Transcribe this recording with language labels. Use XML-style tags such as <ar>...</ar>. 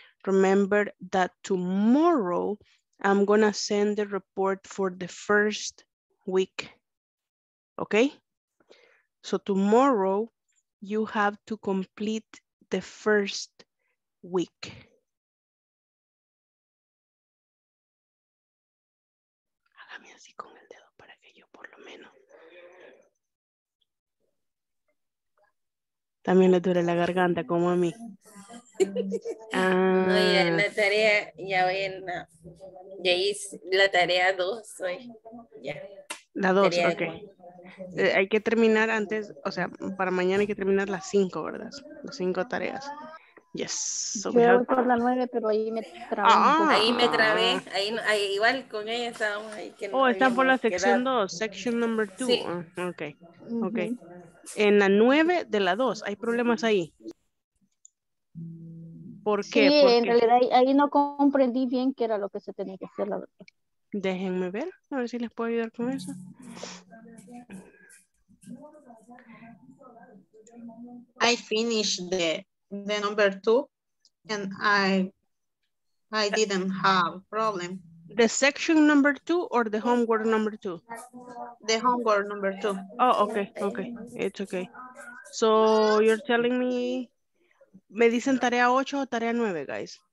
<en>Remember that tomorrow, I'm gonna send the report for the first week, okay? So tomorrow, you have to complete the first week.</en> <es>Hágame así con el dedo para que yo por lo menos. También le duele la garganta como a mí. Oye, la tarea, ya voy en la, ya hice la tarea 2 hoy. Ya. La 2, ok. Hay que terminar antes, o sea, para mañana hay que terminar las 5, ¿verdad? Las 5 tareas.</es> <en>Yes.</en> <es>So yo voy por la 9, pero ahí me trabé. Ahí igual con ella estábamos ahí. Que están por la sección 2,</es> <en>section number 2.</en> <es>Sí. Ok. Uh-huh. Ok. En la 9 de la 2, ¿hay problemas ahí? ¿Por qué? Sí, ¿por en qué? Realidad ahí no comprendí bien qué era lo que se tenía que hacer, la verdad. Déjenme ver, a ver si les puedo ayudar con eso.</es> <en>I finished the number 2 and I didn't have problem. The section number 2 or the homework number 2? The homework number 2. Oh, okay, it's okay. So you're telling me,</en> <es>me dicen tarea 8 o tarea 9,</es> <en>guys?</en>